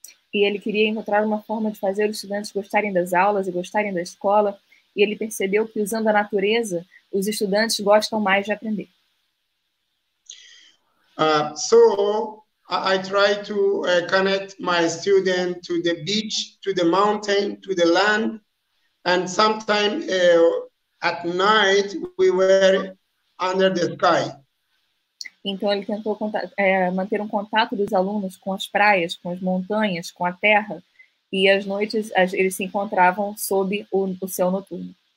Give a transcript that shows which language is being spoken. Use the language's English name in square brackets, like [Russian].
[Portuguese] E ele queria encontrar uma forma de fazer os estudantes gostarem das aulas e gostarem da escola. E ele percebeu que usando a natureza, os estudantes gostam mais de aprender. [English] So I try to connect my student to the beach, to the mountain, to the land, and sometimes at night we were under the sky. [Portuguese] Então ele tentou manter um contato dos alunos com as praias, com as montanhas, com a terra, e às noites eles se encontravam sob o céu noturno.